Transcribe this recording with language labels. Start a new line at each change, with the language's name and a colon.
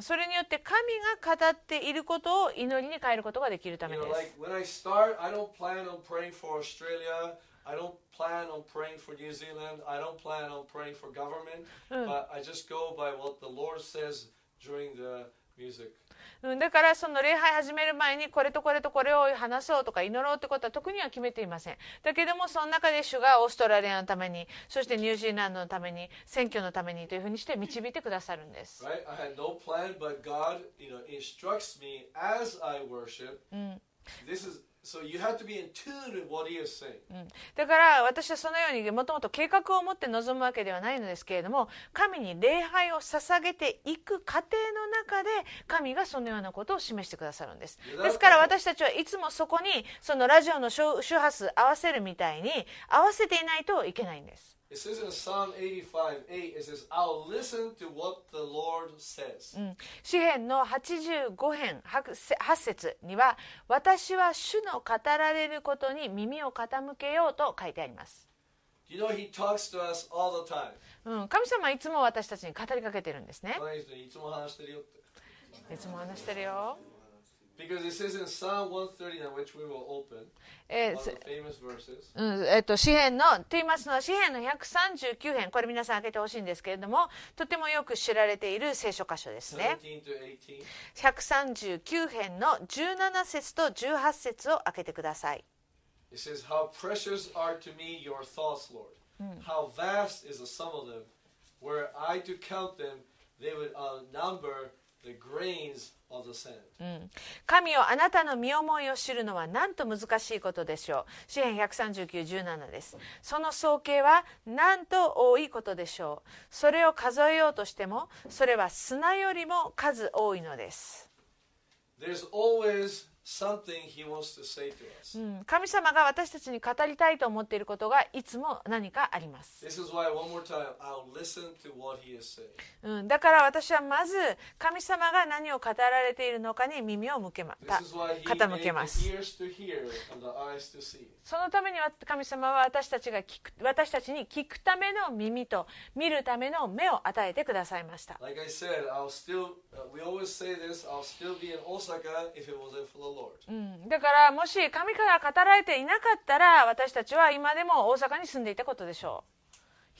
Japanese: それによって神が語っていることを祈りに変えることができるためです。
English: you know, like when I start, I don't plan on praying for Australia. I don't plan on praying for New Zealand. I don't plan on praying for government. But I just go by what the Lord says during the music.
Japanese: だからその礼拝始める前にこれとこれとこれを話そうとか祈ろうってことは特には決めていません。だけどもその中で主がオーストラリアのために、そしてニュージーランドのために、選挙のためにというふうにして導いてくださるんです。
English: Right? I had no plan, but God, you know, instructs me as I worship. This is... So you have to be in tune with what he is saying.
Japanese: だから私はそのようにもともと計画を持って臨むわけではないのですけれども、神に礼拝を捧げていく過程の中で神がそのようなことを示してくださるんです。ですから私たちはいつもそこにそのラジオの周波数合わせるみたいに合わせていないといけないんです。
English: It says in Psalm 85:8, it says, I'll listen to what the Lord says.
Japanese: 詩編の85編8節には、私は主の語られることに耳を傾けようと書いてあります。
English: You know, he talks to us all the time.
Japanese: 神様はいつも私たちに語りかけてるんですね。いつも話してるよって。いつも話してるよ。
English: Because it says in Psalm 139, which we will open, the famous verses.
Japanese: 詩編のと言いますのは、詩編の139編、これ皆さん開けてほしいんですけれども、とてもよく知られている聖書箇所ですね。 139編の17節と18節を開けてください。
English: It says, How precious are to me your thoughts, Lord. How vast is the sum of them. Were I to count them, they would outnumber the grains.
Japanese: 神よ、あなたの身思いを知るのはなんと難しいことでしょう。詩編139:17です。その総計はなんと多いことでしょう。それを数えようとしても、それは砂よりも数多いのです。
English: There's always something he wants to say to us.
Japanese: 神様が私たちに語りたいと思っていることがいつも何かあります。
English: This is why one more time I'll listen to what he is saying.
Japanese: だから私はまず神様が何を語られているのかに耳を向けます。
English: This is why he made the ears to hear and the eyes to see.
Japanese: そのために神様は私たちに聞くための耳と見るための目を与えてくださいました。
English: Like I said, I'll still, we always say this, I'll still be in Osaka if it wasn't for the Lord.
Japanese: だからもし神から語られていなかったら私たちは今でも大阪に住んでいたことでしょう。